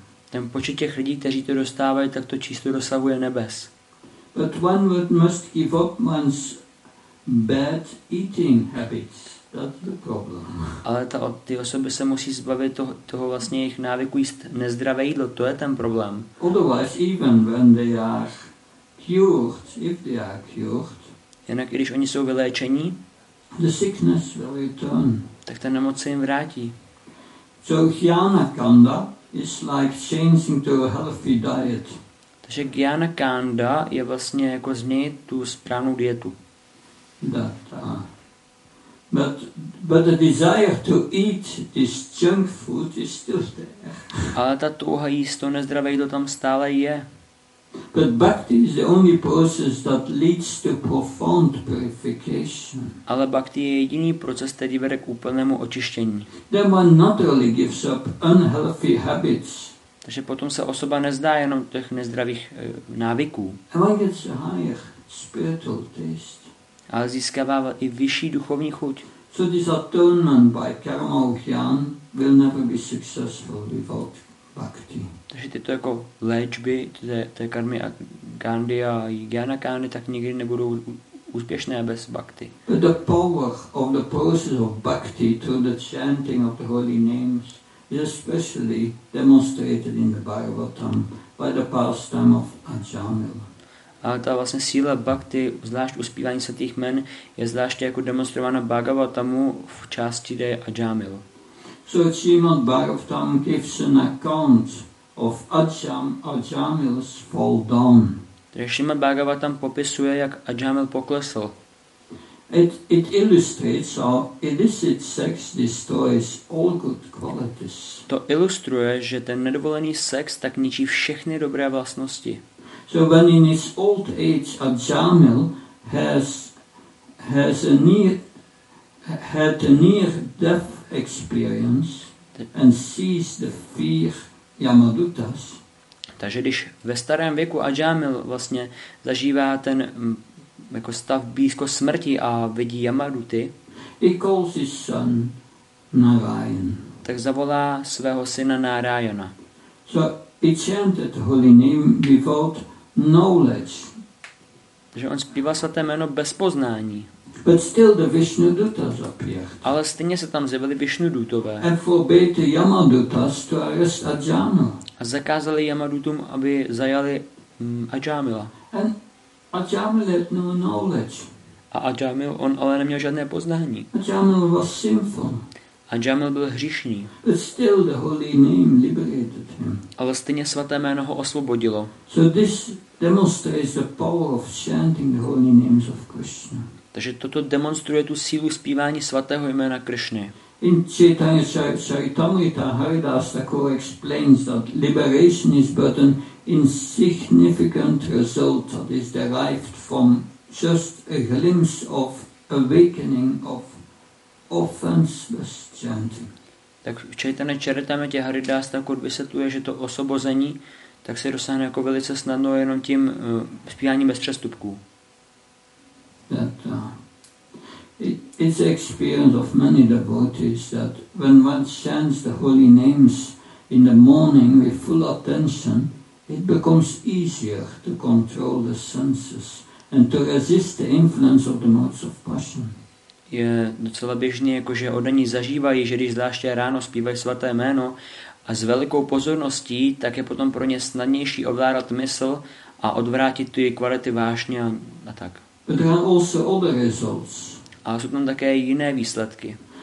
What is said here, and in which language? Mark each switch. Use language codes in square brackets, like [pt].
[cs] Ten počet těch lidí, kteří to dostávají, tak to číslo dosahuje nebes. [en] But one must give up one's bad eating habits. That's the problem. [cs] Ale ty osoby se musí zbavit toho vlastně jejich návyku jíst nezdravé jídlo. To je ten problém. [en] Otherwise, even when they are cured, if they are cured. [cs] Jinak, když oni jsou vyléčení. [en] The sickness will return. [cs] Tak ta nemoc se jim vrátí. [en] So jnana kanda is like changing to a healthy diet. [cs] Takže jnana kanda je vlastně jako změnit tu správnou dietu. [en] That But the desire to eat this junk food is still there. [cs] Ale ta touha jíst to nezdravé jídlo tam stále je. [en] But bhakti is the only process that leads to profound purification. [cs] Ale bhakti je jediný proces, který vede k úplnému očištění. [en] Then one naturally gives up unhealthy habits. [cs] Takže potom se osoba nezdá jenom těch nezdravých návyků. [en] And one gets a higher spiritual taste. [cs] Ale získává i vyšší duchovní chuť. [en] So this atonement by karma ujian will never be successful without bhakti. [cs] Takže tyto jako léčby té karmy a Gandhi a Jnana Kandy tak nikdy nebudou úspěšné bez bhakti. [en] But the power of the process of bhakti through the chanting of the holy names is especially demonstrated in the Bhagavatam by the pastime of Ajamila. [cs] A ta vlastně síla bhakti, zvlášť uspívání svatých jmen, je zvláště jako demonstrována Bhagavatamu v části, kde je Ajamil. [en] So Srimad Bhagavatam gives an account of Ajamil's fall down. [cs] Takže Srimad Bhagavatam popisuje, jak Ajamil poklesl. [en] It illustrates how illicit sex destroys all good qualities. [cs] To ilustruje, že ten nedovolený sex tak ničí všechny dobré vlastnosti. [en] So when in his old age Ajamil had a near death experience and sees the fear Yamadutas. [cs] Takže když ve starém věku Ajamil vlastně zažívá ten jako stav blízko smrti a vidí Yamaduty. [en] He calls his son Narayan. [cs] Tak zavolá svého syna Narayana. [en] So he chanted holy name without knowledge. [cs] Takže on zpívá svaté jméno bez poznání. [en] But still the Vishnu Dutas appeared. [cs] Ale stejně se tam zjevili Vishnu Dutové. [en] And forbade the Yamadutas to arrest Ajamila. [cs] A zakázali Yamadutům, aby zajali Ajamila. [en] And Ajamil had no knowledge. [cs] A Ajamil, on ale neměl žádné poznání. [en] Ajamil was sinful. [cs] Ajamil byl hříšný. [en] But still the holy name liberated him. [cs] Ale stejně svaté jméno ho osvobodilo. [en] So this demonstrates the power of chanting the holy names of Krishna. [cs] Takže toto demonstruje tu sílu zpívání svatého jména Krishny. [en] In Chaitanya Charitamrita Haridas Thakur explains that liberation is but an insignificant result that is derived from just a glimpse of awakening of offenseless chanting. [cs] Tak v Chaitanya Charitamrita Haridas Thakur vysvětluje, že to osvobození tak se dosáhne jako velice snadno jenom tím zpíváním bez přestupků. [en] That it's the experience of many devotees that when one chants the holy names in the morning with full attention, it becomes easier to control the senses and to resist the influence of the modes of passion. [cs] Je docela běžný, jakože oddaní zažívají, že když zvláště ráno zpívají svaté jméno a s velikou pozorností, tak je potom pro ně snadnější ovládat mysl a odvrátit ty kvality vášně a tak. [en] But there are also other results. [cs] Ale jsou tam také jiné výsledky.